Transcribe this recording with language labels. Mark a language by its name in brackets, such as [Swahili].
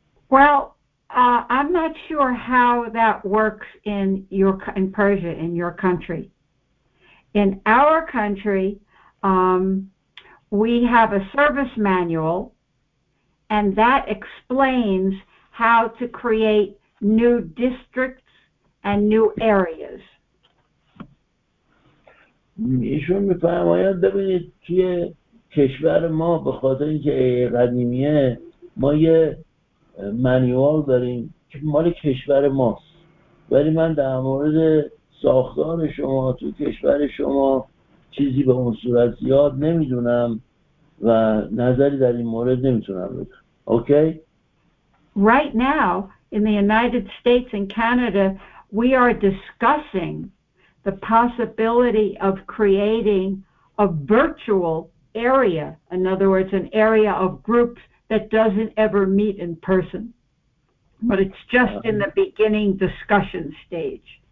[English] Well, I'm not sure how that works in Persia, in your country. In our country, we have a service manual, and that explains how to create new districts and new areas. [Persian] ایشون می فرماید ببینید توی کشور ما به خاطر اینکه قدیمیه ما یه منیوال داریم که مال کشور ماست، ولی من در مورد ساختار شما تو کشور شما چیزی به اون صورت زیاد نمیدونم و نظری در این مورد نمیتونم بدم. [English] Okay? Right now in the United States and Canada we are discussing the possibility of creating a virtual area, in other words, an area of groups that doesn't ever meet in person, but it's just in the beginning discussion stage.